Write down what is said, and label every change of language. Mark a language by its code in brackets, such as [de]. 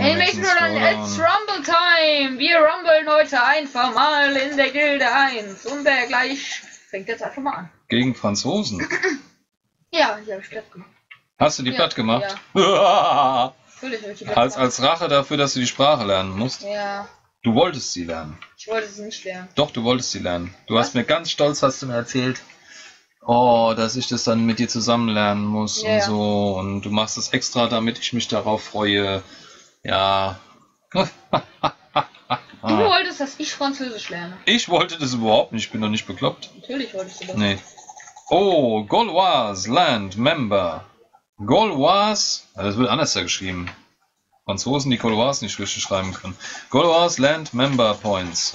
[en] Hey, Mason, it's Rumble Time! [de] Wir rumblen heute einfach mal in der Gilde 1. Und der gleich fängt jetzt einfach mal an. Gegen Franzosen? Ja, ich habe platt gemacht. Hast du die platt gemacht? Ja. Als Rache dafür, dass du die Sprache lernen musst? Ja. Du wolltest sie lernen. Ich wollte sie nicht lernen. Doch, du wolltest sie lernen. Du hast mir ganz stolz, hast du mir erzählt. Oh, dass ich das dann mit dir zusammen lernen muss und so. Und du machst das extra, damit ich mich darauf freue. Ja. Du wolltest, dass ich Französisch lerne. Ich wollte das überhaupt nicht. Ich bin doch nicht bekloppt. Natürlich wolltest du das. Nee. Oh, Gaulois Land Member. Gaulois. Das wird anders da geschrieben. Franzosen, die Gaulois nicht richtig schreiben können. Gaulois Land Member Points.